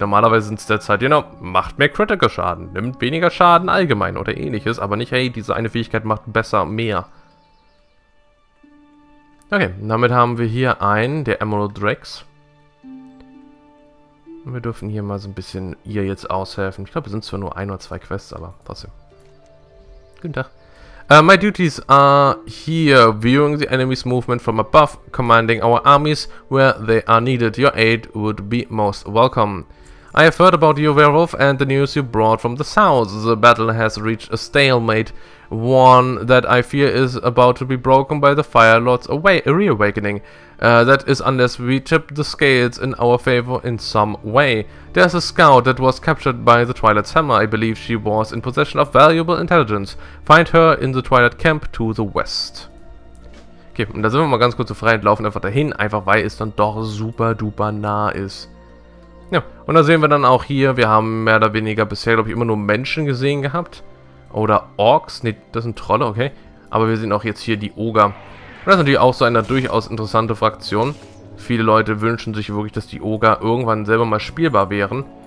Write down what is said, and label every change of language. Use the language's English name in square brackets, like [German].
[German] Normalerweise sind es derzeit, genau, macht mehr Critical Schaden, nimmt weniger Schaden allgemein oder ähnliches, aber nicht, hey, diese eine Fähigkeit macht besser mehr. Okay, damit haben wir hier einen, der Emerald Drex. Und wir dürfen hier mal so ein bisschen ihr jetzt aushelfen. Ich glaube, es sind zwar nur ein oder zwei Quests, aber trotzdem. Guten Tag. [English] My duties are here, viewing the enemy's movement from above, commanding our armies where they are needed. Your aid would be most welcome. I have heard about you, Werewolf, and the news you brought from the south. The battle has reached a stalemate, one that I fear is about to be broken by the Fire Lord's reawakening. That is unless we tip the scales in our favor in some way. There's a scout that was captured by the Twilight's Hammer. I believe she was in possession of valuable intelligence. Find her in the Twilight Camp to the west. [German] Okay, und da sind wir mal ganz kurz so frei und laufen einfach dahin, einfach weil es dann doch super duper nah ist. Ja, und da sehen wir dann auch hier, wir haben mehr oder weniger bisher, glaube ich, immer nur Menschen gesehen gehabt. Oder Orks, ne, das sind Trolle, okay. Aber wir sehen auch jetzt hier die Oger. Und das ist natürlich auch so eine durchaus interessante Fraktion. Viele Leute wünschen sich wirklich, dass die Oger irgendwann selber mal spielbar wären.